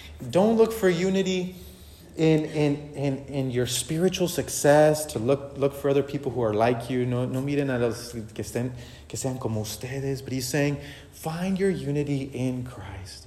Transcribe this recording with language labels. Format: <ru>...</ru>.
<en>Don't look for unity in your spiritual success to look for other people who are like you.</en> <es>No miren a los que sean como ustedes.</es> <en>But he's saying, find your unity in Christ.</en>